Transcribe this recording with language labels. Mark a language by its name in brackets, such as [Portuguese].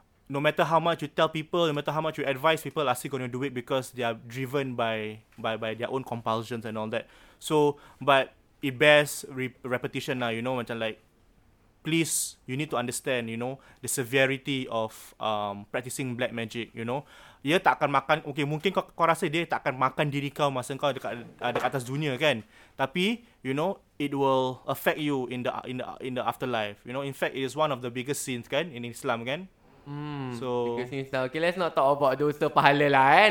[English] No matter how much you tell people, no matter how much you advise people, are still going to do it because they are driven by their own compulsions and all that. So, but it bears repetition now, you know, macam like, please, you need to understand, you know, the severity of practicing black magic, you know. [Malay] Ia tak akan makan, okay, mungkin kau rasa dia tak akan makan diri kau masa kau dekat atas dunia, kan? [English] Tapi, you know, it will affect you in the afterlife, you know. In fact, it is one of the biggest sins, kan, in Islam, kan? So, okay, let's not talk about dosa pahala lah eh.